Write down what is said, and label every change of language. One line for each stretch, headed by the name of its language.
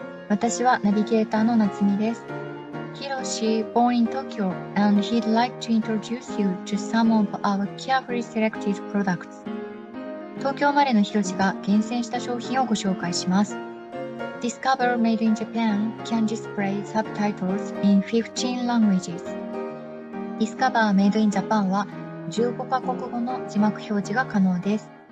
Japanese: 私はナビゲーターの夏美です。
English: Hiroshi, born in Tokyo, and he'd like to introduce you to some of our carefully selected products.
Japanese: 東京生まれのヒロシが厳選した商品をご紹介します。
English: Discover Made in Japan can display subtitles in 15 languages.
Japanese: Discover Made in Japan は15カ国語の字幕表示が可能です。